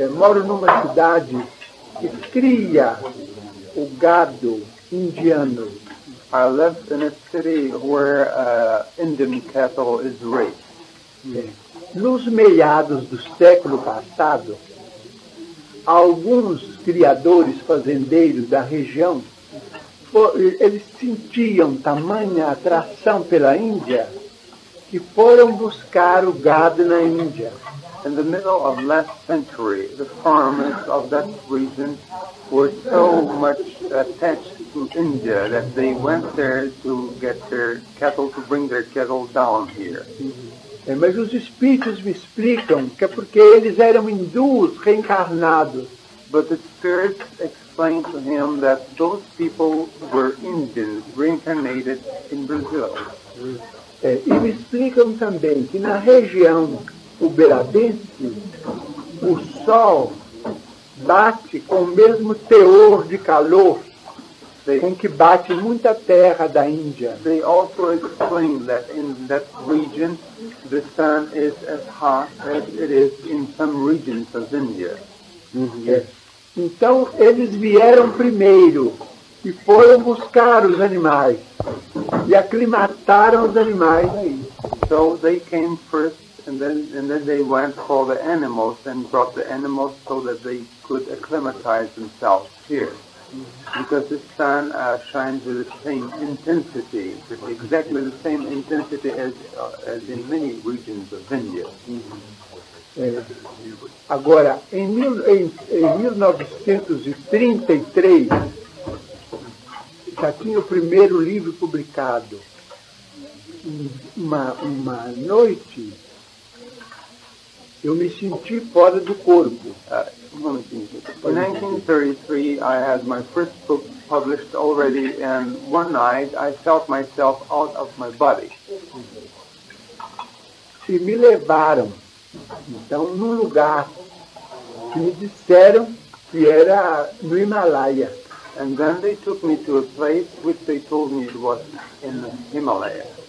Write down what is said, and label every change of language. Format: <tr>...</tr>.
<pt>Moro numa cidade que cria o gado indiano.</pt> <en>I live in a city where Indian cattle is raised.</en> <pt>Nos meados do século passado, alguns criadores fazendeiros da região, eles sentiam tamanha atração pela Índia, que foram buscar o gado na Índia.</pt> <en>In the middle of last century, the farmers of that region were so much attached to India that they went there to get their cattle, to bring their cattle down here.</en> <pt>Mas os espíritos me explicam que é porque eles eram hindus reencarnados.</pt> <en>But the spirits explained to him that those people were Indians reincarnated in Brazil.</en> <pt>E me explicam também que na região uberabense, o sol bate com o mesmo teor de calor com que bate muita terra da Índia.</pt> <en>They also explain that in that region the sun is as hot as it is in some regions of India.</en> <pt>Então eles vieram primeiro e foram buscar os animais e aclimataram os animais aí.</pt> <en>So they came first and then they went for the animals and brought the animals so that they could acclimatize themselves here. Because the sun shines with the same intensity, exactly the same intensity as in many regions of India.</en> <pt>Agora, em 1933, já tinha o primeiro livro publicado. Uma noite, eu me senti fora do corpo.</pt> <en>In 1933, I had my first book published already, and one night I felt myself out of my body.</en> <pt>E me levaram, então, num lugar que me disseram que era no Himalaia.</pt> <en>And then they took me to a place which they told me it was in the Himalaya.</en>